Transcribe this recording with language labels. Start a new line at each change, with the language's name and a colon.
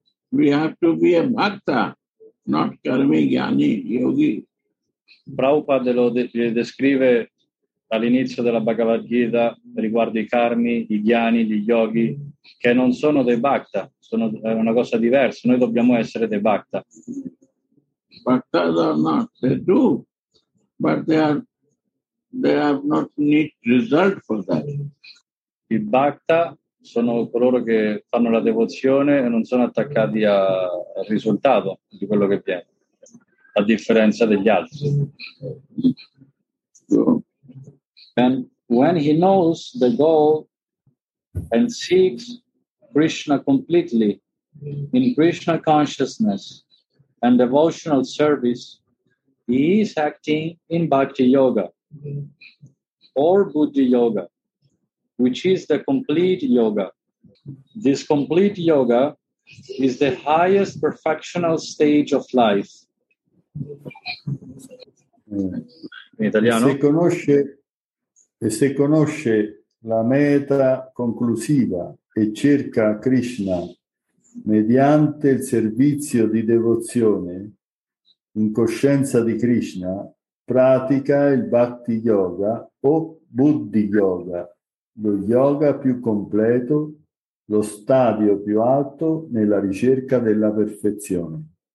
English: We have to be a Bhakta, not Karmi, Jnani, Yogi.
Italian: Prabhupada lo descrive all'inizio della Bhagavad Gita riguardo i karmi, i jnani, gli yogi, che non sono dei bhakta, sono una cosa diversa. Noi dobbiamo essere dei bhakta.
English: Bhakta are not, they do, but they have not need result for that.
Italian: I bhakta sono coloro che fanno la devozione e non sono attaccati al risultato di quello che viene, a differenza degli altri.
English: And when he knows the goal and seeks Krishna completely in Krishna consciousness and devotional service, he is acting in Bhakti Yoga or Buddhi Yoga, which is the complete yoga. This complete yoga is the highest perfectional stage of life.
Italian: in italiano. E se conosce la meta conclusiva e cerca Krishna mediante il servizio di devozione in coscienza di Krishna, pratica il Bhakti Yoga o Buddhi Yoga, lo yoga più completo, lo stadio più alto nella ricerca della perfezione.